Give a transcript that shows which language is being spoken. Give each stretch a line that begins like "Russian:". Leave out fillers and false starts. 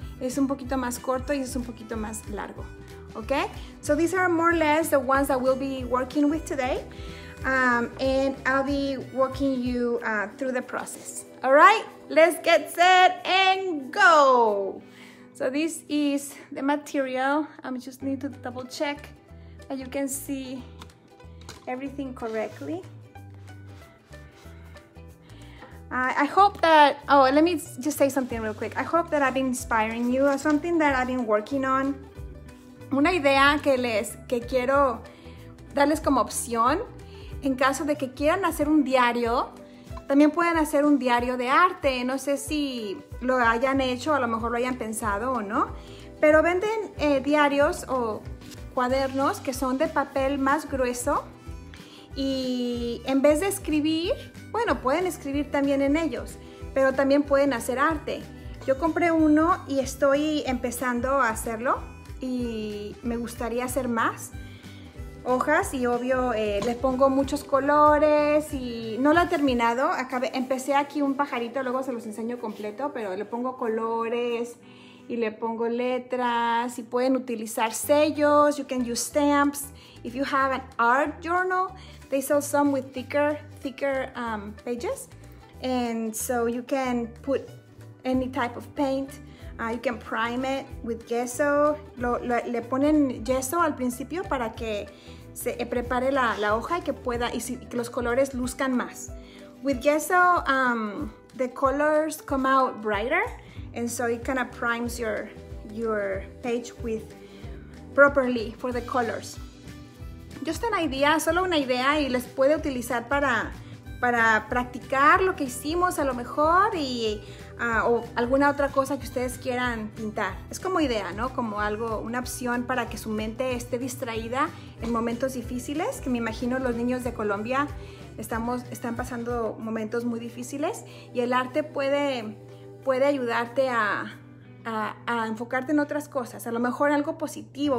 Spanish: Es un poquito más corto y es un poquito más largo, okay?
English: So these are more or less the ones that we'll be working with today. And I'll be walking you through the process. All right, let's get set and go. So this is the material. I just need to double check that you can see everything correctly. I hope that, let me just say something real quick. I hope that I've been inspiring you or something that I've been working on.
Spanish: Una idea que quiero darles como opción, en caso de que quieran hacer un diario, también pueden hacer un diario de arte. No sé si lo hayan hecho, a lo mejor lo hayan pensado o no, pero venden diarios o cuadernos que son de papel más grueso y en vez de escribir, bueno, pueden escribir también en ellos, pero también pueden hacer arte. Yo compré uno y estoy empezando a hacerlo y me gustaría hacer más hojas y obvio les pongo muchos colores y no lo he terminado. Empecé aquí un pajarito, luego se los enseño completo, pero le pongo colores y le pongo letras y pueden utilizar sellos.
English: You can use stamps. If you have an art journal, they sell some with thicker pages, and so you can put any type of paint. You can prime it with gesso.
Spanish: Le ponen gesso al principio para que se prepare la hoja y que pueda y si, que los colores luzcan más.
English: With gesso, the colors come out brighter, and so it kind of primes your page with properly for the colors. Just an idea,
Spanish: solo una idea, y les puede utilizar para practicar lo que hicimos a lo mejor y o alguna otra cosa que ustedes quieran pintar. Es como idea, ¿no? Como algo, una opción para que su mente esté distraída en momentos difíciles, que me imagino los niños de Colombia están pasando momentos muy difíciles y el arte puede ayudarte a enfocarte en otras cosas, a lo mejor algo positivo.